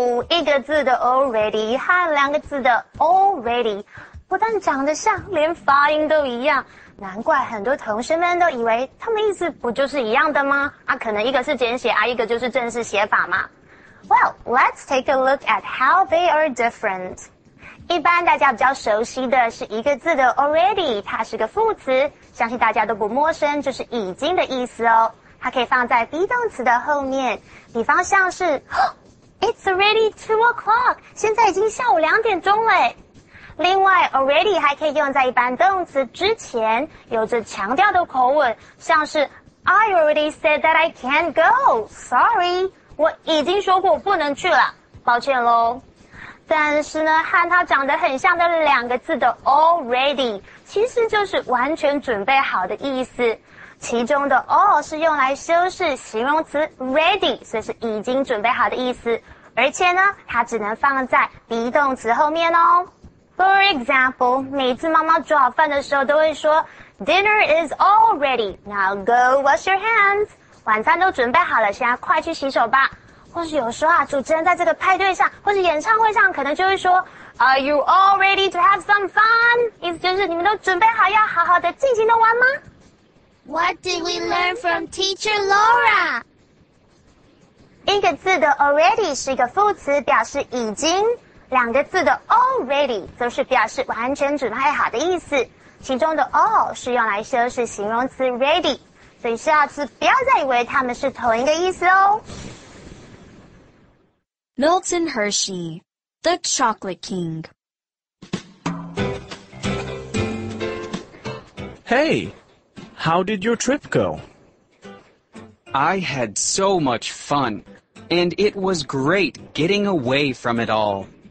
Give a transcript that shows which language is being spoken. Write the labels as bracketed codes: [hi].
[zh] 一个字的 already 和两个字的 already 不但长得像，连发音都一样。难怪很多同学们都以为他们意思不就是一样的吗？啊，可能一个是简写啊，一个就是正式写法嘛。 [en] Well, let's take a look at how they are different. [zh] 一般大家比较熟悉的是一个字的 already, 它是个副词，相信大家都不陌生，就是已经的意思哦。它可以放在 be 动词的后面，比方像是 [en] It's already 2:00, [zh] 现在已经下午2点钟了。另外 ,already 还可以用在一般动词之前，有着强调的口吻，像是 [en] I already said that I can't go, sorry. [zh] 我已经说过不能去了，抱歉咯。但是呢，和它长得很像的两个字的 already, 其实就是完全准备好的意思。其中的 all 是用来修饰形容词 ready, 所以是已经准备好的意思。而且呢，它只能放在 be 动词后面哦。 [en] For example, [zh] 每次妈妈煮好饭的时候都会说 [en] Dinner is all ready, now go wash your hands. [zh] 晚餐都准备好了，现在快去洗手吧。或是有时候啊，主持人在这个派对上或是演唱会上，可能就会说 [en] Are you all ready to have some fun? [zh] 意思就是你们都准备好要好好的尽情的玩吗？ [en] What did we learn from teacher Laura? [zh] 一个字的 already 是一个副词，表示已经，两个字的 already 则是表示完全准备好的意思，其中的 all 是用来修饰形容词 ready，所以下次不要再以为他们是同一个意思哦。 [en] Milton Hershey, The Chocolate King. Hey, how did your trip go? I had so much fun, and it was great getting away from it all.